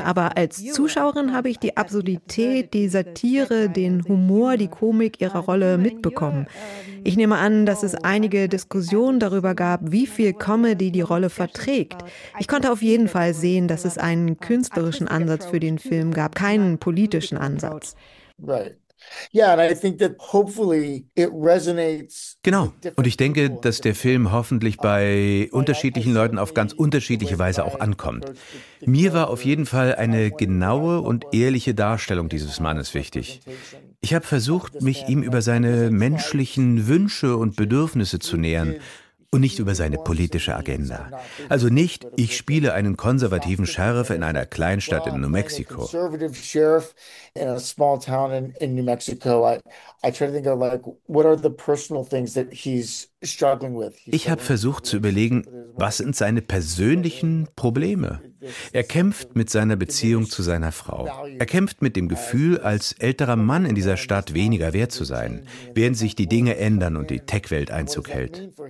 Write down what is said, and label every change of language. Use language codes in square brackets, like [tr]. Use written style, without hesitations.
[de] Aber als Zuschauerin habe ich die Absurdität, die Satire, den Humor, die Komik ihrer Rolle mitbekommen. Ich nehme an, dass es einige Diskussionen darüber gab, wie viel Comedy die Rolle verträgt. Ich konnte auf jeden Fall sehen, dass es einen künstlerischen Ansatz für den Film gab, keinen politischen Ansatz. [en] Right. Yeah, and I think that hopefully it resonates. [de] Genau, und ich denke, dass der Film hoffentlich bei unterschiedlichen Leuten auf ganz unterschiedliche Weise auch ankommt. Mir war auf jeden Fall eine genaue und ehrliche Darstellung dieses Mannes wichtig. Ich habe versucht, mich ihm über seine menschlichen Wünsche und Bedürfnisse zu nähern. Und nicht über seine politische Agenda. Also nicht, ich spiele einen konservativen Sheriff in einer Kleinstadt in New Mexico. [en] In New Mexico. I try to think of like, what are the personal things that he's [de] Ich habe versucht zu überlegen, was sind seine persönlichen Probleme? Er kämpft mit seiner Beziehung zu seiner Frau. Er kämpft mit dem Gefühl, als älterer Mann in dieser Stadt weniger wert zu sein, während sich die Dinge ändern und die Tech-Welt Einzug hält.